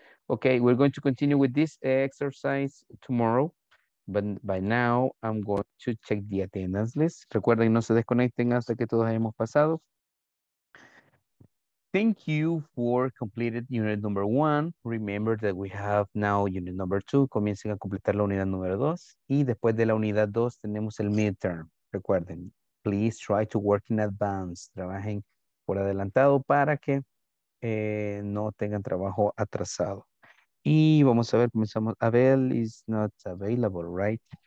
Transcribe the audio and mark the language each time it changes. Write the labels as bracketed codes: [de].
[en] Okay, we're going to continue with this exercise tomorrow. But by now, I'm going to check the attendance list. [es] Recuerden, no se desconecten hasta que todos hayamos pasado. [en] Thank you for completing unit number one. Remember that we have now unit number two. [es] Comiencen a completar la unidad número dos. Y después de la unidad dos, tenemos el midterm. Recuerden, [en] please try to work in advance. [es] Trabajen por adelantado para que no tengan trabajo atrasado. Y vamos a ver, comenzamos. [en] Abel is not available, right?